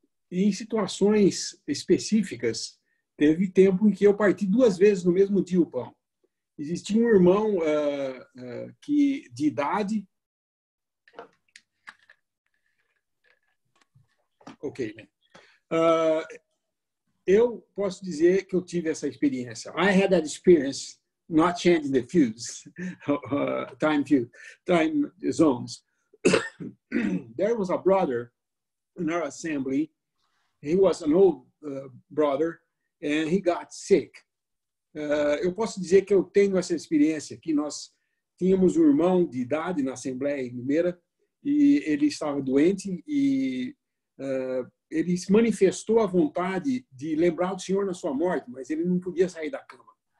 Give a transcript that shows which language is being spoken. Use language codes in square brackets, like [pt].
[pt] Em situações específicas, teve tempo em que eu parti duas vezes no mesmo dia o pão. Existia um irmão que, de idade... Ok, né? Eu posso dizer que eu tive essa experiência. [en] I had that experience, not changing the fuse, time zones. There was a brother in our assembly. He was an old brother, and he got sick. [pt] Eu posso dizer que eu tenho essa experiência, que nós tínhamos um irmão de idade na Assembleia em Limeira, e ele estava doente, e ele manifestou a vontade de lembrar o Senhor na sua morte, mas ele não podia sair da cama.